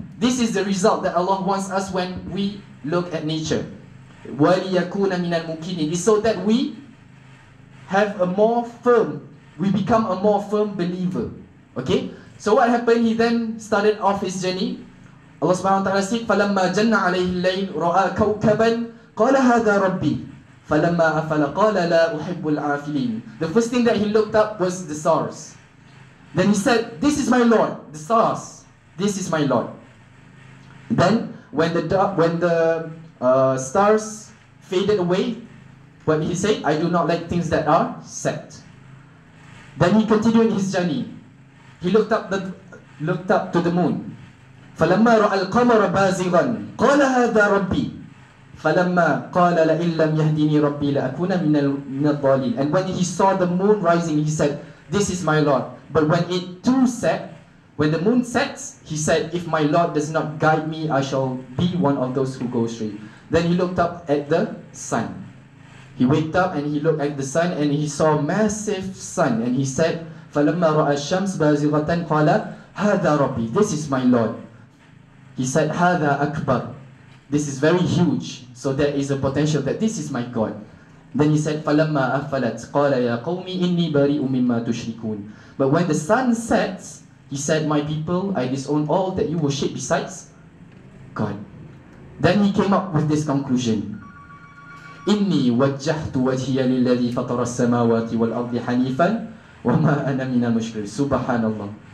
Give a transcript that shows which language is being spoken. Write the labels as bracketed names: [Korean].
[English] This is the result that Allah wants us when we look at nature. [Arabic] وَلِيَكُونَ مِنَ الْمُوقِنِينَ. [English] It's so that we have a more firm, we become a more firm believer. Okay? So what happened? He then started off his journey. [Arabic] Allah Subhanahu wa Ta'ala said, فَلَمَّا جَنَّ عَلَيْهِ اللَّيْلِ رَأَى كَوْكَبًا قَالَ هَذَا رَبِّي فَلَمَّا أَفَلَ قَالَ لَا أُحِبُّ الْعَافِلِينَ. [English] The first thing that he looked up was the stars. Then he said, this is my Lord, the stars, this is my Lord. Then when the stars faded away, when he said, I do not like things that are set. Then he continued his journey. He looked up to the moon. [Arabic] فَلَمَّا رَأَى الْقَمَرَ بَازِغًا قَالَ هَذَا رَبِّي فَلَمَّا قَالَ لَإِنْ لَمْ يَهْدِنِي رَبِّي لَأَكُونَ مِنَ الضَّالِينَ. [English] And when he saw the moon rising, he said, this is my Lord. But when it too set, when the moon sets, he said, if my Lord does not guide me, I shall be one of those who go astray. Then he looked up at the sun. He waked up and he looked at the sun and he saw a massive sun. And he said, [Arabic] فَلَمَّا رَأَى الشَّمْسِ بَازِغَةً قَالَ هَذَا رَبِّي. [English] This is my Lord. He said, [Arabic] هَذَا أَكْبَرُ. [English] This is very huge. So there is a potential that this is my God. Then he said, [Arabic] فَلَمَّا أَفَلَتْ قَالَ يَا قَوْمِ إِنِّي بَرِئٌ مِمَّا تُشْرِكُونَ. [English] But when the sun sets, he said, my people, I disown all that you worship besides God. Then he came up with this conclusion. [Arabic] إِنِّي وَجَّهْتُ وَجْهِيَ لِلَّذِي فَطَرَ السَّمَاوَاتِ وَالْأَرْضِ حَنِيفًا وَمَا أَنَا مِنَ الْمُشْرِكِينَ. Subhanallah.